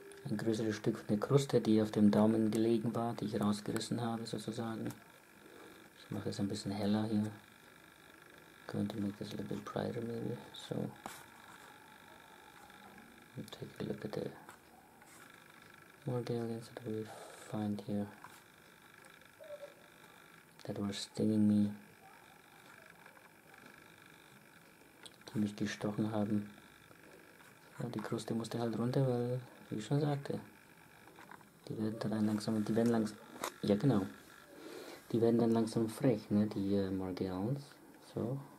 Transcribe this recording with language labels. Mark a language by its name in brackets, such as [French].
[German] Ein größeres Stück von der Kruste, die auf dem Daumen gelegen war, die ich rausgerissen habe, sozusagen. Ich mache es ein bisschen heller hier. [English] Going to make this a little bit brighter, maybe. So. We'll take a look at the Morgellons that we find here that were stinging me, [German] die mich gestochen haben. Ja, die Kruste musste halt runter, weil, wie ich schon sagte, die werden dann langsam, die werden langsam, ja genau, die werden dann langsam frech, ne, die Morgellons, so.